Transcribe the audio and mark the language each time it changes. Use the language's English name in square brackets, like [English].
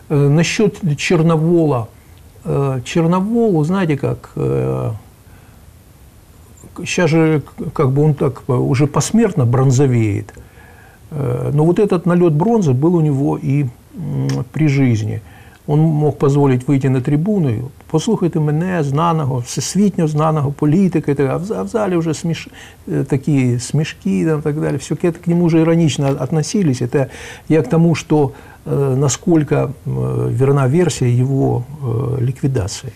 [Russian] насчет Черновола. Черновол, знаете как, сейчас же как бы он так уже посмертно бронзовеет. Но вот этот налет бронзы был у него и при жизни. Он мог позволить выйти на трибуну, [Ukrainian] послухайте мене, знаного, всесвітньо знаного політика, а в залі вже такі смішки там, так далі. [Russian] Все, к нему уже іронічно относились. Это я к тому, что насколько верна версия его ликвидации.